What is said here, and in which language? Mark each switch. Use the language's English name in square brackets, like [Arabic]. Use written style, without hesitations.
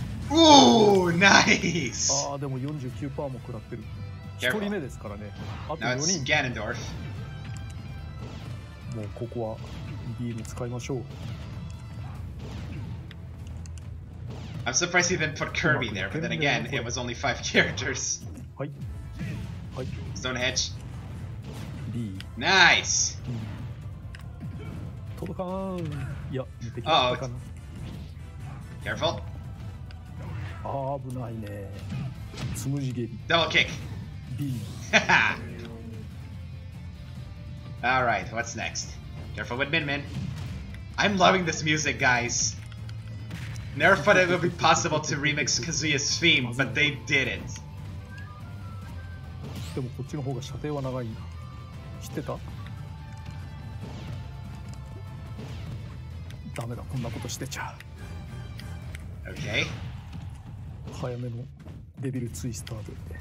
[English] Ooh, nice. [Japanese] ああ、でも 49% も食らってる。 [English] Careful. [Japanese] 1人目ですからね。あと 4人。 [English] Now it's Ganondorf. [Japanese] もうここはビーム使いましょう。 [English] I'm surprised he didn't put Kirby there, but then again, it was only five characters. [Japanese] はい。はい、 [English] Stonehenge B Nice! [Japanese] 届かん。いや、見てきたかな。 [English] Careful! [Japanese] 危ないね。つむじ蹴り。 [English] Double kick! B Alright, what's next? Careful with Min Min. I'm loving this music, guys. Never thought it would be possible to remix Kazuya's theme, but they did it. [Japanese] でもこっちの方が射程は長いな。知ってた？ダメだ、こんなことしてちゃう。 [English] Okay. [Japanese] 早めのデビルツイスターで。